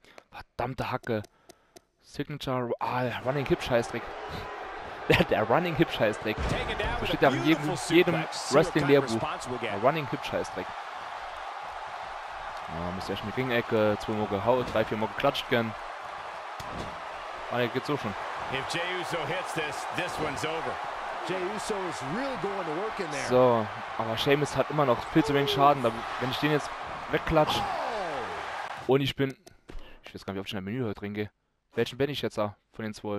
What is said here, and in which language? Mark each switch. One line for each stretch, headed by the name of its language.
German: Verdammte Hacke. Signature. Ah, der Running Hip Scheißtrick. Der Running Hip Scheißtrick. So steht ja in jedem Wrestling-Lehrbuch. Running Hip Scheißtrick. Ah, muss ja schon eine Ringecke, zwei Mal gehauen, drei, vier Mal geklatscht gern. Ah, hier geht's so schon.
English: If Jey Uso hits this, this one's over. Jey Uso is really going to work in there.
German: So, aber Sheamus hat immer noch viel zu wenig Schaden. Da, wenn ich den jetzt wegklatsche. Und ich bin. Ich weiß gar nicht, ob ich in der Menü heute reingehe. Welchen bin ich jetzt da von den zwei?